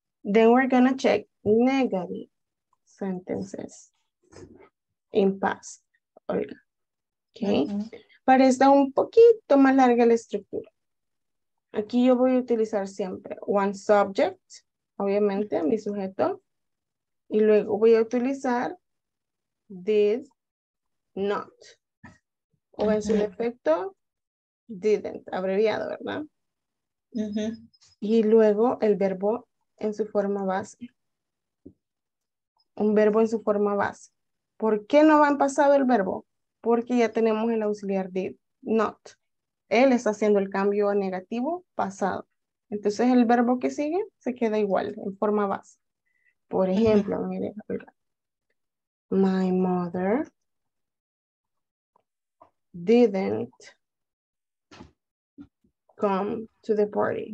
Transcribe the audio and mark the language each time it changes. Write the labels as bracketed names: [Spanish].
[English] Then we're going to check negative sentences in past, Olga. Ok. Uh-huh. [Spanish] Para esta un poquito más larga la estructura. Aquí yo voy a utilizar siempre [English] one subject, [Spanish] obviamente, mi sujeto. Y luego voy a utilizar this. Not. O en su defecto, didn't, abreviado, ¿verdad? Uh-huh. Y luego el verbo en su forma base. Un verbo en su forma base. ¿Por qué no va en pasado el verbo? Porque ya tenemos el auxiliar did, not. Él está haciendo el cambio a negativo, pasado. Entonces el verbo que sigue se queda igual, en forma base. Por ejemplo, mire, [English] my mother didn't come to the party.